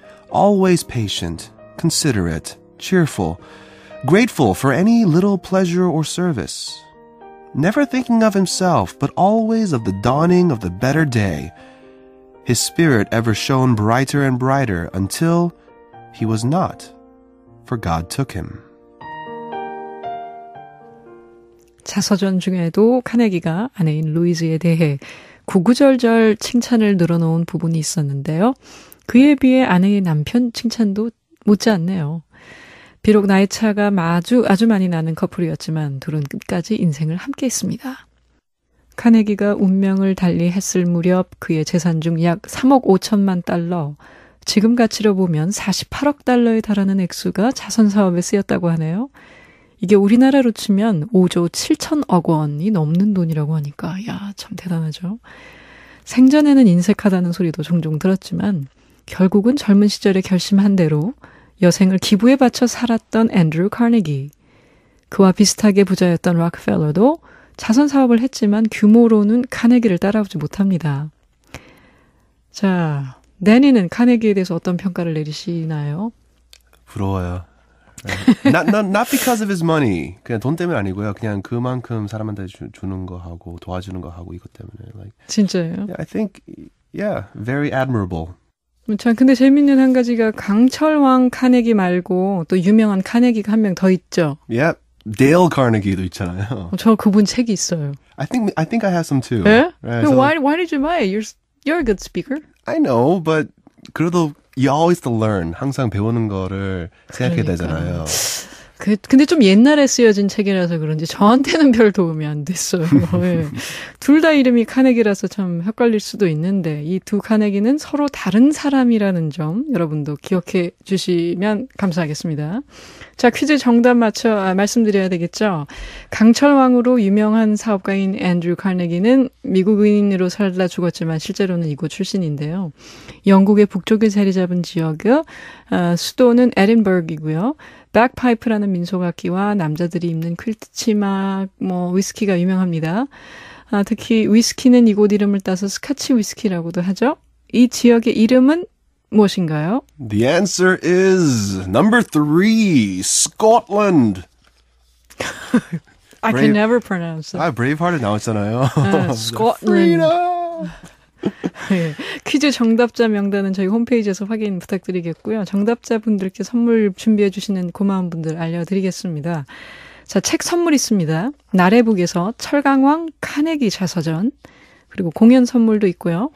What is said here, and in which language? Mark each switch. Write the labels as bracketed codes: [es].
[en] Always patient, considerate, cheerful, grateful for any little pleasure or service, never thinking of himself, but always of the dawning of the better day, his spirit ever shone brighter and brighter until he was not, for God took him. [ko] 자서전 중에도 카네기가 아내인 루이즈에 대해 구구절절 칭찬을 늘어놓은 부분이 있었는데요. 그에 비해 아내의 남편 칭찬도 못지않네요. 비록 나이 차가 아주 많이 나는 커플이었지만 둘은 끝까지 인생을 함께했습니다. 카네기가 운명을 달리했을 무렵 그의 재산 중 약 3억 5천만 달러, 지금 가치로 보면 48억 달러에 달하는 액수가 자선 사업에 쓰였다고 하네요. 이게 우리나라로 치면 5조 7천억 원이 넘는 돈이라고 하니까 야, 참 대단하죠. 생전에는 인색하다는 소리도 종종 들었지만 결국은 젊은 시절에 결심한 대로 여생을 기부에 바쳐 살았던 앤드류 카네기. 그와 비슷하게 부자였던 록펠러도 자선 사업을 했지만 규모로는 카네기를 따라오지 못합니다. 자, 내니는 카네기에 대해서 어떤 평가를 내리시나요? 부러워요. [en] not because of his money. [ko] 그냥 돈 때문에 아니고요. 그냥 그만큼 사람한테 주는 거 하고 도와주는 거 하고 이것 때문에. [en] Like, [ko] 진짜요? [en] Yeah, I think, yeah, very admirable. [ko] 참, 근데 재밌는 한 가지가 강철왕 카네기 말고 또 유명한 카네기가 한 명 더 있죠. [en] Yep. [ko] Dale Carnegie도 있잖아요. 저 그분 책이 있어요. [en] I think I have some too. [ko] 예? [en] Right, so why did you buy it? You're a good speaker. I know, but [ko] 그래도 [en] you always to learn. [ko] 항상 배우는 거를 생각해야 되잖아요. 근데 좀 옛날에 쓰여진 책이라서 그런지 저한테는 별 도움이 안 됐어요. 네. 둘 다 이름이 카네기라서 참 헷갈릴 수도 있는데 이 두 카네기는 서로 다른 사람이라는 점 여러분도 기억해 주시면 감사하겠습니다. 자, 퀴즈 정답 말씀드려야 되겠죠. 강철왕으로 유명한 사업가인 앤드류 카네기는 미국인으로 살다 죽었지만 실제로는 이곳 출신인데요. 영국의 북쪽에 자리 잡은 지역이요. 수도는 에딘버그이고요. 백파이프라는 민속악기와 남자들이 입는 퀼트 치마, 뭐 위스키가 유명합니다. 아, 특히 위스키는 이곳 이름을 따서 스카치 위스키라고도 하죠. 이 지역의 이름은 무엇인가요? [en] The answer is number 3, Scotland. I can never pronounce it. [ko] 아, Braveheart에 나왔잖아요. [en] Scotland. Freedom. [ko] 네, 퀴즈 정답자 명단은 저희 홈페이지에서 확인 부탁드리겠고요. 정답자분들께 선물 준비해 주시는 고마운 분들 알려드리겠습니다. 자, 책 선물 있습니다. 나래북에서 철강왕 카네기 자서전, 그리고 공연 선물도 있고요.